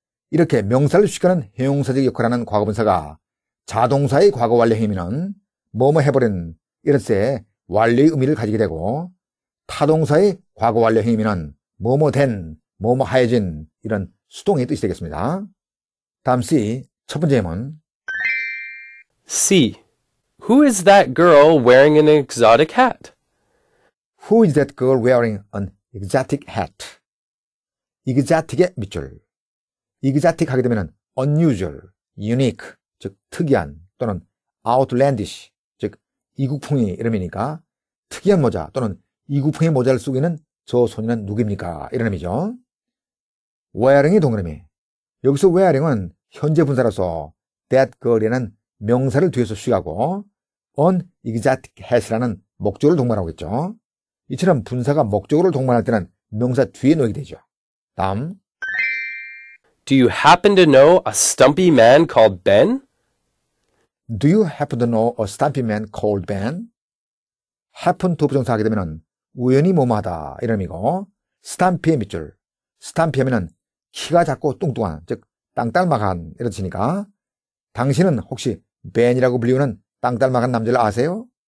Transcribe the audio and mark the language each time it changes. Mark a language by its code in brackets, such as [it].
[ko] 이렇게 명사를 취하는 형용사적 역할을 하는 과거분사가 자동사의 과거 완료 행위는 뭐뭐 해버린 이런 뜻의 완료의 의미를 가지게 되고 타동사의 과거 완료 행위는 뭐뭐 된, 뭐뭐 하여진 이런 수동의 뜻이 되겠습니다. 다음 C, 첫 번째 예문. C. [en] Who is that girl wearing an exotic hat? Who is that girl wearing an exotic hat? [ko] Exotic의 밑줄. Exotic 하게 되면 unusual, unique, 즉 특이한 또는 outlandish, 즉 이국풍의 이름이니까 특이한 모자 또는 이국풍의 모자를 쓰고 있는 저 소녀는 누구입니까? 이런 의미죠. Wearing의 동그라미. 여기서 wearing은 현재 분사로서 that girl이라는 명사를 뒤에서 수식하고 an exotic hat라는 목적어를 동반하고 있죠. 이처럼 분사가 목적어를 동반할 때는 명사 뒤에 놓이게 되죠. 다음 [en] Do you happen to know a stumpy man called Ben? Do you happen to know a stumpy man called Ben? [ko] happen to 부정사하게 되면 우연히 뭐뭐하다 이런 의미고 stumpy의 밑줄 stumpy 하면 키가 작고 뚱뚱한 즉 땅딸막한 이런 뜻이니까 당신은 혹시 벤이라고 불리우는 땅딸막한 남자를 아세요?